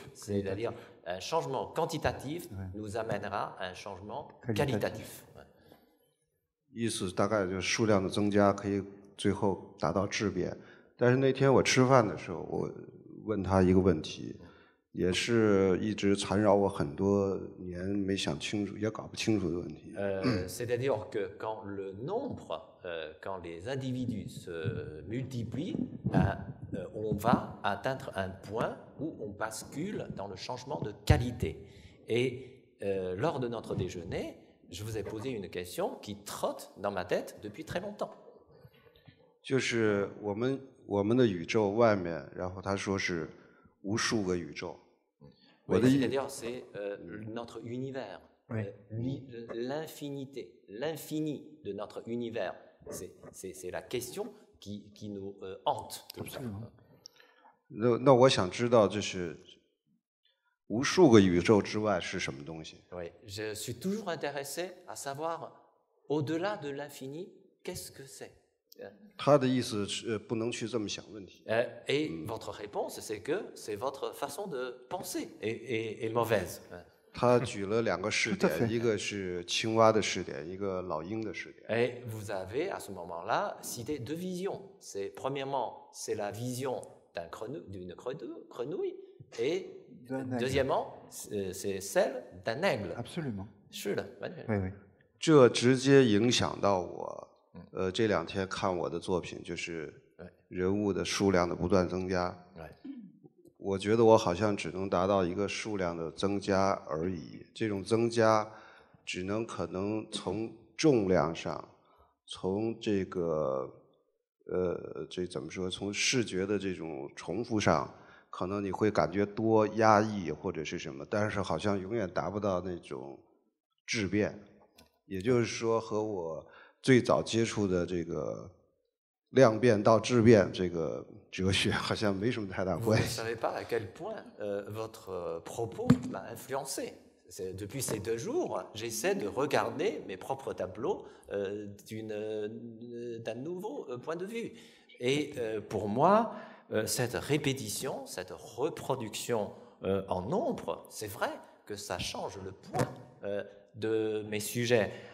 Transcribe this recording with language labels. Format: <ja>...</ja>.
<fr>C'est-à-dire un changement quantitatif nous amènera à un changement qualitatif.</fr> <zh>意思大概就是数量的增加可以最后达到质变。但是那天我吃饭的时候，我问他一个问题，也是一直缠绕我很多年没想清楚，也搞不清楚的问题。</zh> <fr>C'est-à-dire que quand le nombre, quand les individus se multiplient, on va atteindre un point où on bascule dans le changement de qualité. Et lors de notre déjeuner, je vous ai posé une question qui trotte dans ma tête depuis très longtemps.</fr> <zh>就是我们的宇宙外面，然后他说是无数个宇宙。我的意思是</zh> <fr>，c'est-à-dire, c'est notre univers, l'infinité, l'infini de notre univers. C'est la question. Qui nous hante.</fr> <zh>那我想知道，就是无数个宇宙之外是什么东西？</zh> <fr>Oui, je suis toujours intéressé à savoir au-delà de l'infini, qu'est-ce que c'est?</fr> <zh>他的意思是不能去这么想问题。</zh> <fr>Et votre réponse, c'est que c'est votre façon de penser est mauvaise.</fr> <zh>他举了两个试点，一个是青蛙的试点，一个老鹰的试点。</zh> <fr>Et vous avez à ce moment-là cité deux visions. C'est premièrement, c'est la vision d'une grenouille, et deuxièmement, c'est celle d'un aigle. Absolument.</fr> <zh>是的，完全。对对。这直接影响到我，这两天看我的作品，就是人物的数量的不断增加。我觉得我好像只能达到一个数量的增加而已，这种增加只能可能从重量上，从这个这怎么说，从视觉的这种重复上，可能你会感觉多压抑或者是什么，但是好像永远达不到那种质变，也就是说和我最早接触的这个量变到质变这个哲学好像没什么太大关系。</zh> <fr>Vous ne savez pas à quel point votre propos m'a influencé. Depuis ces deux jours, j'essaie de regarder mes propres tableaux d'un nouveau point de vue. Et pour moi, cette répétition, cette reproduction en nombre, c'est vrai que ça change le point de mes sujets.</fr>